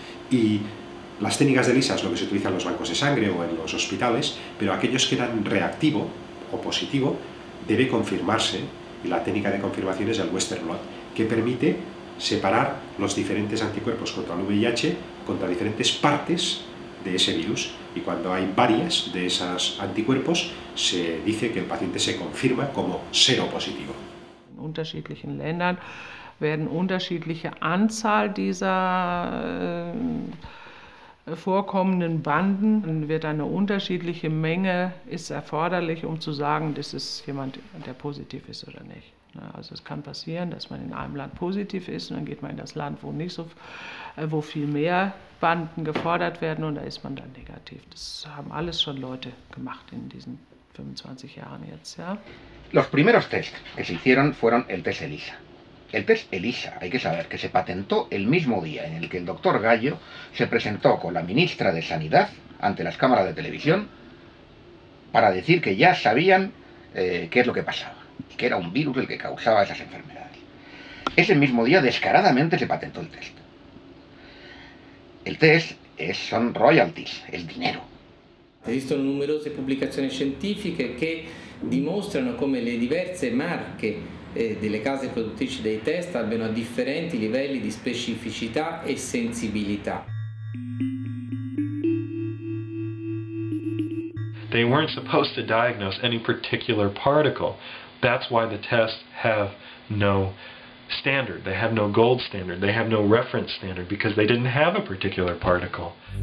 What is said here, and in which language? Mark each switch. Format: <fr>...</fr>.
<es>Y las técnicas de ELISA es lo que se utiliza en los bancos de sangre o en los hospitales, pero aquellos que dan reactivo o positivo debe confirmarse, y la técnica de confirmación es el Western blot, que permite separar los diferentes anticuerpos contra el VIH contra diferentes partes de ese virus, y cuando hay varias de esos anticuerpos se dice que el paciente se confirma como seropositivo.</es> <de>En unterschiedlichen Ländern werden unterschiedliche Anzahl dieser vorkommenden Banden, dann wird eine unterschiedliche Menge ist erforderlich, um zu sagen, das ist jemand, der positiv ist oder nicht. Also es kann passieren, dass man in einem Land positiv ist und dann geht man in das Land, wo nicht so, wo viel mehr Banden gefordert werden und da ist man dann negativ. Das haben alles schon Leute gemacht in diesen 25 Jahren jetzt. Ja?</de> <es>Los primeros Tests, que se hicieron, fueron el Test ELISA. El test ELISA, hay que saber, que se patentó el mismo día en el que el doctor Gallo se presentó con la ministra de Sanidad ante las cámaras de televisión para decir que ya sabían qué es lo que pasaba, que era un virus el que causaba esas enfermedades. Ese mismo día descaradamente se patentó el test. El test son royalties, el dinero.</es> <it>Esistono numerose pubblicazioni scientifiche che dimostrano come le diverse marche delle case produttrici dei test abbiano differenti livelli di specificità e sensibilità.</it> <en>They weren't supposed to diagnose any particular particle. That's why the tests have no standard. They have no gold standard. They have no reference standard because they didn't have a particular particle.</en>